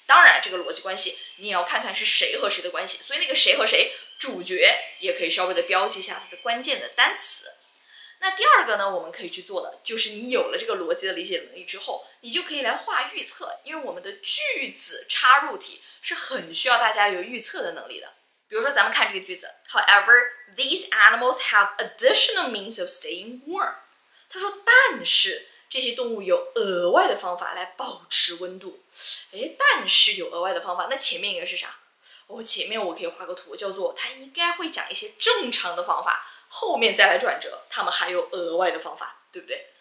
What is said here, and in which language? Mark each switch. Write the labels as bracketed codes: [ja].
[zh] 当然这个逻辑关系你也要看看是谁和谁的关系，所以那个谁和谁主角也可以稍微的标记一下它的关键的单词。那第二个呢，我们可以去做的就是你有了这个逻辑的理解能力之后，你就可以来画预测，因为我们的句子插入体是很需要大家有预测的能力的。比如说咱们看这个句子， [en] However, these animals have additional means of staying warm. [zh] 他说但是这些动物有额外的方法来保持温度。诶，但是有额外的方法，那前面应该是啥？哦，前面我可以画个图叫做他应该会讲一些正常的方法，后面再来转折，他们还有额外的方法，对不对？